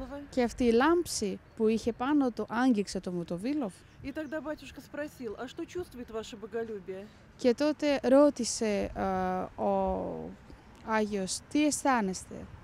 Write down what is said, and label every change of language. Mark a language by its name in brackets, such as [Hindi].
[Greek] Και αυτή η λάμψη που είχε πάνω του άγγιξε το Μοτοβίλοφ. [Russian] И тогда батюшка спросил, а что чувствует ваше боголюбие? [Greek] Και τότε ρώτησε ο Άγιος, τι αισθάνεστε?